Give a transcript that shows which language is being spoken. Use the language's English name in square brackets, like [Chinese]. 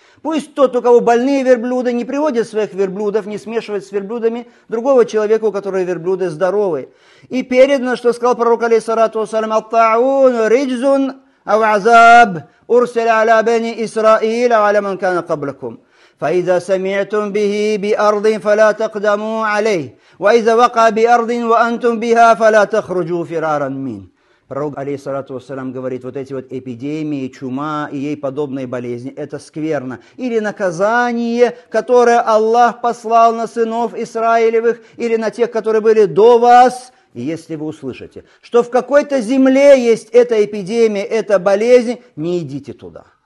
[Russian] Пусть тот, у кого больные верблюды, не приводит своих верблюдов, не смешивает с верблюдами другого человека, у которого верблюды здоровые. И передано, что сказал пророк, алейхиссалату вассалям: [Arabic] «Ат-тауун риджзун ау азаб урсиля аля бени Исраиля аля ман кана каблякум». فإذا سمعتم به بأرض فلا تقدموا عليه وإذا وقع بأرض وأنتم بها فلا تخرجوا فرارا منه. [Russian] Пророк, алейхиссалату вассалям, говорит, вот эти вот эпидемии, чума и ей подобные болезни, это скверно. Или наказание, которое Аллах послал на сынов Израилевых, или на тех, которые были до вас. И если вы услышите, что в какой-то земле есть эта эпидемия, эта болезнь, не идите туда.